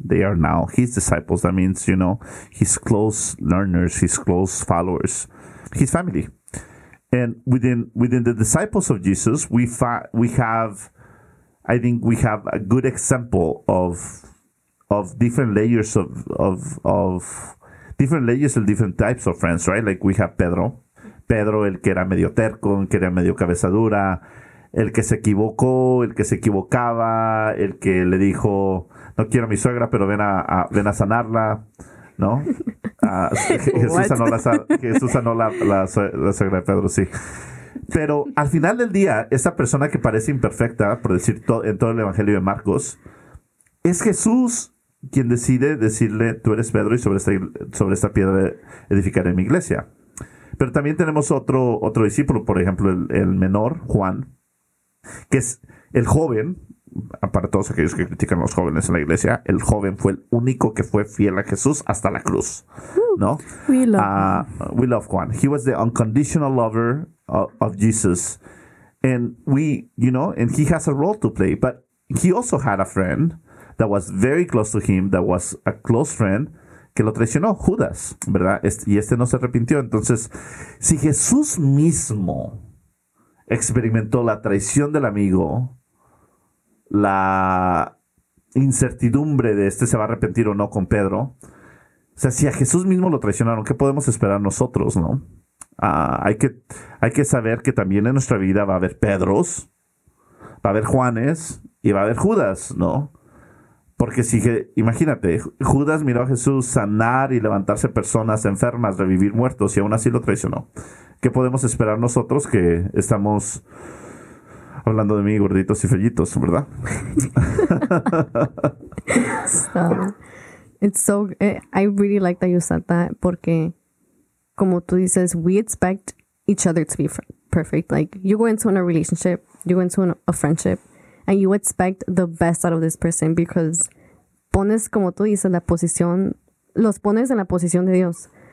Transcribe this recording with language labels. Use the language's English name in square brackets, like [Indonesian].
[English] They are now his disciples. That means, you know, his close learners, his close followers, his family. And within the disciples of Jesus, we have a good example of different layers of different layers and different types of friends, right? [Spanish] Like we have Pedro, el que era medio terco, el que era medio cabeza dura, el que se equivocó, el que se equivocaba, el que le dijo, no quiero a mi suegra, pero ven a sanarla, ¿no? Jesús sanó la suegra de Pedro, sí. Pero al final del día, esa persona que parece imperfecta, por decir en todo el Evangelio de Marcos, es Jesús quien decide decirle, tú eres Pedro y sobre esta piedra edificaré mi iglesia. Pero también tenemos otro discípulo, por ejemplo, el menor, Juan, que es el joven, para todos aquellos que critican a los jóvenes en la iglesia, el joven fue el único que fue fiel a Jesús hasta la cruz, No? [English] We love Juan. We love Juan. He was the unconditional lover of Jesus. And we, you know, and he has a role to play. But he also had a friend that was very close to him, that was a close friend, [Spanish] que lo traicionó, Judas, ¿verdad? Y este no se arrepintió. Entonces, si Jesús mismo experimentó la traición del amigo, la incertidumbre de este se va a arrepentir o no con Pedro, o sea, si a Jesús mismo lo traicionaron, ¿qué podemos esperar nosotros, no? Hay que saber que también en nuestra vida va a haber Pedros, va a haber Juanes y va a haber Judas, ¿no? Porque si, imagínate, Judas miró a Jesús sanar y levantarse personas enfermas, revivir muertos, y aún así lo traicionó. ¿Qué podemos esperar nosotros que estamos hablando de mí, gorditos y fellitos, verdad? [English] I really like that you said that, [Spanish] porque como tú dices, [English] we expect each other to be perfect. Like, you go into a relationship, you go into a friendship, and you expect the best out of this person because [Spanish] pones, como tú dices, la posición, los pones en la posición de Dios.